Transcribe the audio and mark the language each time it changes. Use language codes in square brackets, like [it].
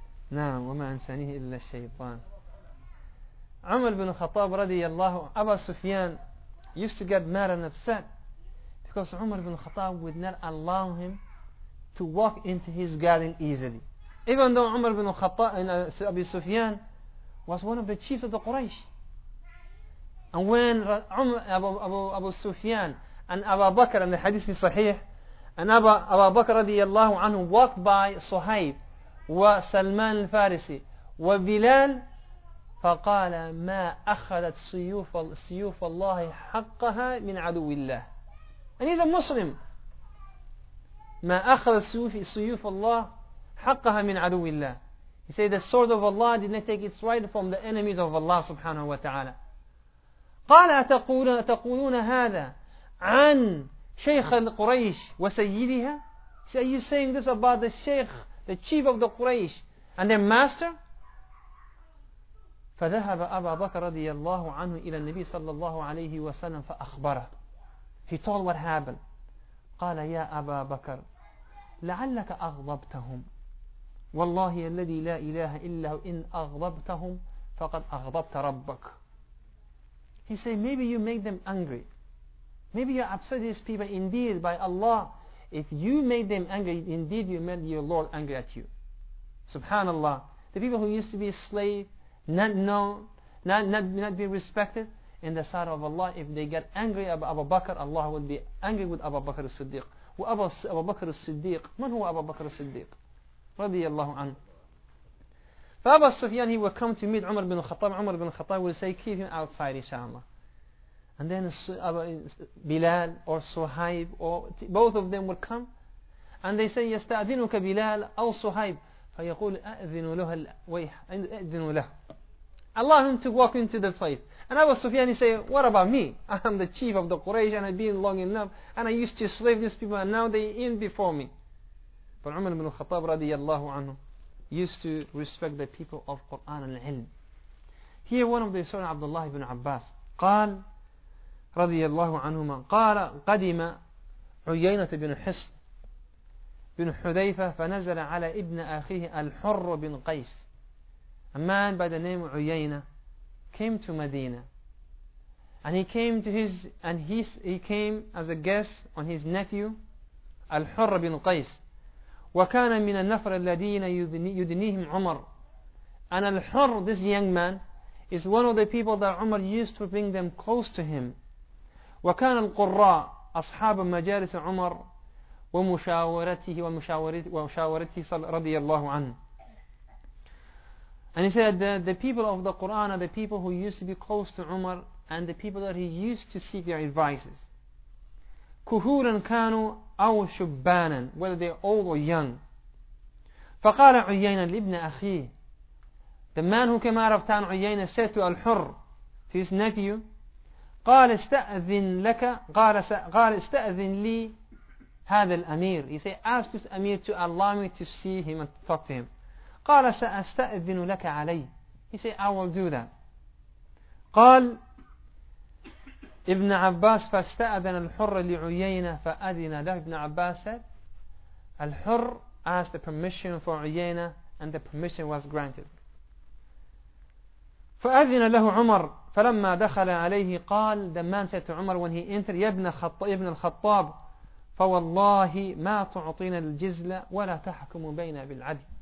[ar] نعم وما أنسانيه إلا الشيطان. [en] عمر بن الخطاب رضي الله عنه أبا سفيان used to get mad and upset because عمر بن الخطاب would not allow him to walk into his garden easily. Even though عمر بن الخطاب and أبي سفيان was one of the chiefs of the Quraysh. And when [ar] أبو سفيان and أبا بكر [en] and the hadith is [ar] صحيح and أبا بكر رضي الله عنه [en] walked by [ar] صهيب وسلمان الفارسي وبلال فقال ما أخذت سيوف الله حقها من عدو الله. [en] And he's a Muslim. [ar] ما أخذت سيوف الله حقها من عدو الله. [en] He said the sword of Allah did not take its right from the enemies of Allah سبحانه وتعالى. [ar] قال أتقولون هذا عن شيخ القريش وسيدها. [en] So are you saying this about the Sheikh, the chief of the Quraysh and their master? [ar] فذهب أبا بكر رضي الله عنه إلى النبي صلى الله عليه وسلم فأخبره. [en] He told what happened. [ar] قال يا أبا بكر لعلك أغضبتهم والله الذي لا إله إلا هو إن أغضبتهم فقد أغضبت ربك. [en] He said maybe you make them angry, maybe you upset these people. Indeed by Allah, if you made them angry, indeed you made your Lord angry at you. Subhanallah. The people who used to be a slave, not known, not be respected in the sight of Allah, if they get angry at Abu Bakr, Allah would be angry with Abu Bakr as-Siddiq. Abu Bakr as-Siddiq, [ar] man huwa [en] Abu Bakr as-Siddiq? Radiyallahu anhu. Abu Sufyan, he would come to meet Umar bin Khattab. Umar bin Khattab would say, keep him outside, inshaAllah. And then Bilal or Suhaib, or both of them would come and they say, [ar] يستأذنك بلال أو صهيب فيقول أأذنوا له [en] الويح أأذنوا له. Allow him to walk into the place. And Abu Sufyan, he say, what about me? I'm the chief of the Quraysh and I've been long enough and I used to slave these people and now they're in before me. But Umar ibn al-Khattab radiyallahu anhu, used to respect the people of Quran and Ilm. Here one of the son of [ar] Abdullah ibn Abbas قال رضي الله عنهما قال قدم عيينة بن حصن بن حذيفة فنزل على ابن أخيه الحر بن قيس. [en] A man by the name of Uyayna came to Medina, and he came to his and his he came as a guest on his nephew Al-Hurr bin Qais. [ar] وكان من النفر الذين يدنيهم عمر. [en] And Al-Hurr, this young man, is one of the people that Umar used to bring them close to him. [ar] وكان القراء أصحاب مجالس عمر ومشاورته ومشاورته رضي الله عنه. [en] And he said the people of the Quran are the people who used to be close to Umar and the people that he used to seek their advices. [ar] كهولا كانوا أو شبانا, [en] whether they're old or young. [ar] فقال عيينة لابن أخيه, [en] the man who came out of town, [ar] عيينة, [en] said to Al-Hurr, to his nephew, [ar] قال استأذن لك, قال استأذن لي هذا الأمير. [en] He said, ask this Amir to allow me to see him and talk to him. [ar] قال سأستأذن لك علي. [en] He said, I will do that. [ar] قال ابن عباس فاستأذن الحر لعيينة فأذن له. [en] ابن عباس said, الحر asked the permission for عيينة and the permission was granted. [ar] فأذن له عمر فلما دخل عليه قال, [en] the man said to [ar] عمر [en] when he entered, [ar] يا ابن ابن الخطاب فوالله ما تعطينا الجزلة ولا تحكم بين بالعدل.